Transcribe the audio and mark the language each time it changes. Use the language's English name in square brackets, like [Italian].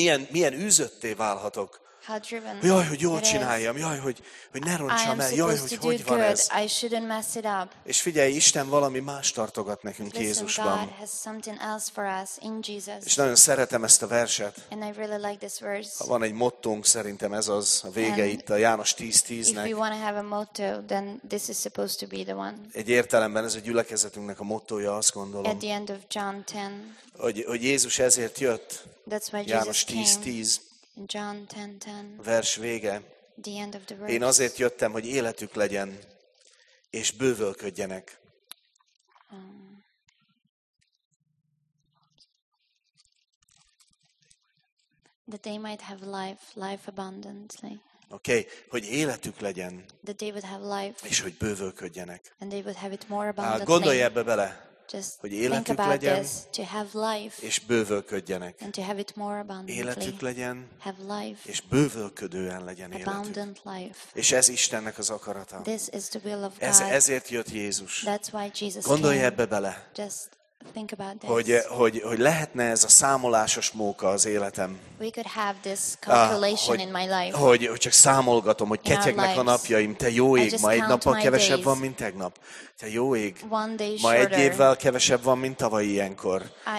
[Hungarian] Milyen üzötté válhatok? Jaj, hogy jól csináljam, jaj, hogy ne roncsam el, jaj, hogy van ez. [English] I shouldn't mess it up. [Hungarian] És figyelj, Isten valami más tartogat nekünk [English] listen, [Hungarian] Jézusban. [English] God has something else for us in Jesus. [Hungarian] És nagyon szeretem ezt a verset. [English] And I really like this verse. [Hungarian] Ha van egy mottónk, szerintem ez az a vége [English] and [Hungarian] itt a János 10:10-nek. [English] If we want to have a motto, then this is supposed to be the one. [Hungarian] Egy értelemben ez a gyülekezetünknek a mottoja, azt gondolom. [English] At the end of John 10. [Hungarian] Hogy Jézus ezért jött. [English] That's why Jesus [Hungarian] János [English] 10:10. John 10:10. [Hungarian] Vers vége. [English] The end of the verse. [Hungarian] Én azért jöttem, hogy életük legyen, és bővölködjenek. [English] That they might have life abundantly. [Hungarian] Okay, hogy életük legyen. [English] That they would have life. [Hungarian] És hogy bővölködjenek. [English] And they would have it more abundantly. [Hungarian] Gondolj ebbe bele. [English] Just [Hungarian] hogy életük legyen, és bővölködjenek. [English] And to have it more abundantly. [Hungarian] Életük legyen, [English] have life, [Hungarian] és bővölködően legyen [English] abundant [Hungarian] életük. [English] Life. [Hungarian] És ez Istennek az akarata. [English] This is the will of God. [Hungarian] Ezért jött Jézus. [English] That's why Jesus [Hungarian] gondolj [English] came. [Hungarian] Ebbe bele. [English] Just think about this. [Hungarian] Hogy lehetne ez a számolásos móka az életem. [English] We could have this calculation in my life. [Hungarian] Hogy csak számolgatom, hogy ketyegnek a napjaim, te jó ég, ma egy nappal kevesebb van, mint tegnap. Te jó ég, ma egy évvel kevesebb van, mint tavaly ilyenkor.